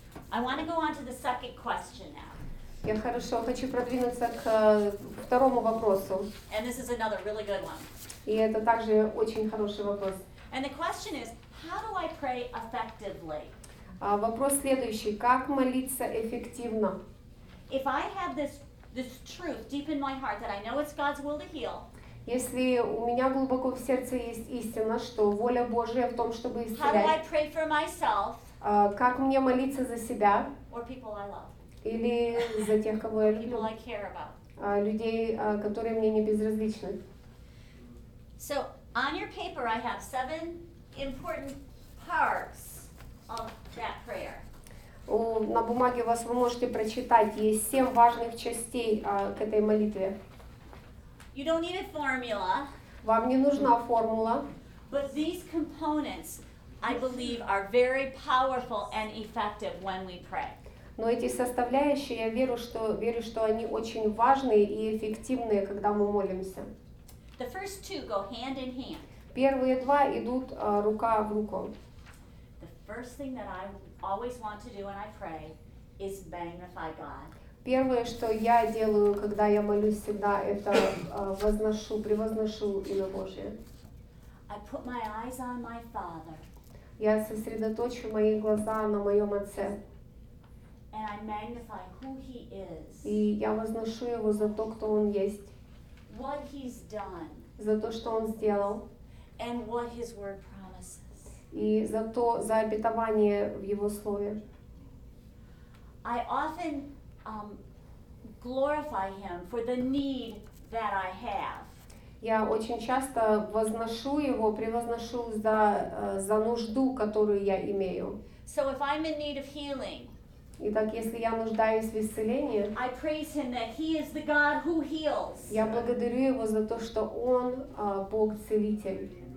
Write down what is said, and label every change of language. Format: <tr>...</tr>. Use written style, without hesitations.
<en>I want to go on to the second question now.</en> <ru>Я хорошо хочу продвинуться к второму вопросу.</ru> <en>And this is another really good one.</en> <ru>И это также очень хороший вопрос.</ru> <en>And the question is, how do I pray effectively?</en> <ru>Вопрос следующий: как молиться эффективно?</ru> <en>If I have this truth deep in my heart that I know it's God's will to heal.</en> <ru>Если у меня глубоко в сердце есть истина, что воля Божия в том, чтобы исцелять.</ru> <en>How do I pray for myself?</en> <ru>Как мне молиться за себя?</ru> <en>Or people I love.</en> <ru>Или за тех, кого я люблю.</ru> <en>People I care about.</en> <ru>Людей, которые мне не безразличны.</ru> <en>So on your paper I have 7 important parts of that prayer.</en> <ru>На бумаге вас вы можете прочитать, есть 7 важных частей к этой молитве.</ru> <en>You don't need a formula.</en> <ru>Вам не нужна формула.</ru> <en>But these components, I believe, are very powerful and effective when we pray.</en> <ru>Но эти составляющие, я верю, что они очень важные и эффективные, когда мы молимся.</ru> <en>The first two go hand in hand.</en> <ru>Первые два идут рука в руку.</ru> <en>The first thing that I always want to do when I pray is magnify God.</en> <ru>Первое, что я делаю, когда я молюсь всегда, это возношу, превозношу имя Божие.</ru> <en>I put my eyes on my Father.</en> <ru>Я сосредоточу мои глаза на моем Отце.</ru> <en>And I magnify who He is.</en> <ru>И я возношу Его за то, кто Он есть.</ru> <en>What He's done.</en> <ru>За то, что Он сделал.</ru> <en>And what His word promises.</en> <ru>И за то, за обетование в Его Слове.</ru> <en>I often glorify Him for the need that I have.</en> <ru>Я очень часто возношу Его, превозношу за нужду, которую я имею.</ru> <en>So if I'm in need of healing,</en> <ru>Итак, если я нуждаюсь в исцелении,</ru> <en>I praise him that he is the God who heals.</en> <ru>Я благодарю его за то, что он Бог целитель.</ru>